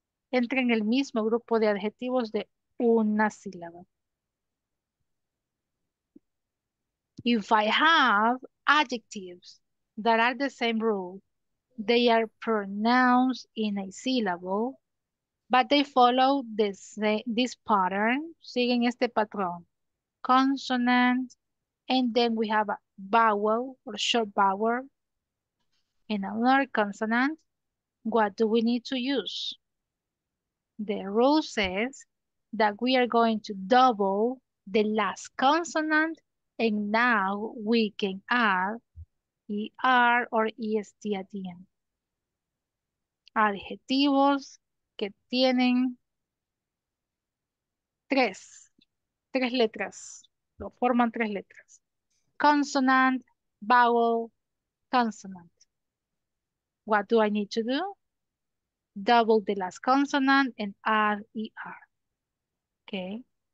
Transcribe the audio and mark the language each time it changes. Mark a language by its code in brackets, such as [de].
[es] Entra en el mismo grupo de adjetivos de una sílaba. [en] If I have adjectives that are the same rule, they are pronounced in a syllable, but they follow this pattern, [es] siguen este patrón, [en] consonant, and then we have a vowel or short vowel in another consonant, what do we need to use? The rule says that we are going to double the last consonant and now we can add ER or EST at the end. [es] Adjetivos que tienen tres letras, lo forman tres letras. [en] Consonant, vowel, consonant. What do I need to do? Double the last consonant and add ER. Okay.